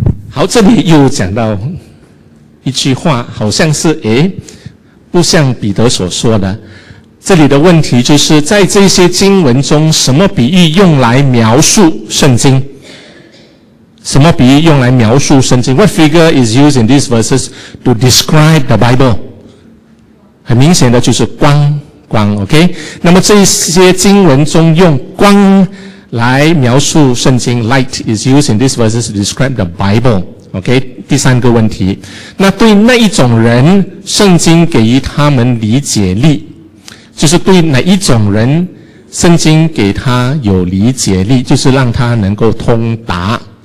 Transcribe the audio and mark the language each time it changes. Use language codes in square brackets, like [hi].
[zh] 好，这里又讲到一句话，好像是诶，不像彼得所说的。这里的问题就是在这些经文中，什么比喻用来描述圣经？什么比喻用来描述圣经？ [en] What figure is used in these verses to describe the Bible? [zh] 很明显的就是光，光 ,OK? 那么这些经文中用光来描述圣经， [en] Light is used in these verses to describe the Bible. [zh] OK, 第三个问题，那对那一种人，圣经给予他们理解力，就是对哪一种人，圣经给他有理解力，就是让他能够通达。